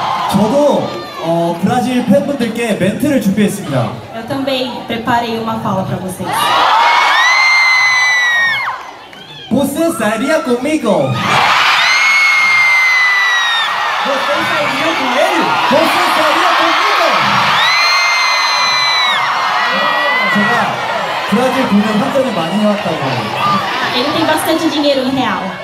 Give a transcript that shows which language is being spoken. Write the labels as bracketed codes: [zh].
[ko] 저도 브라질 팬분들께 멘트를 준비했습니다. [pt] Eu também preparei uma fala para vocês. Você sairia comigo? Você sairia com ele? Você sairia comigo? [ko] 제가 브라질 공연 환전을 많이 해왔다고. [pt] Ele tem bastante dinheiro em real.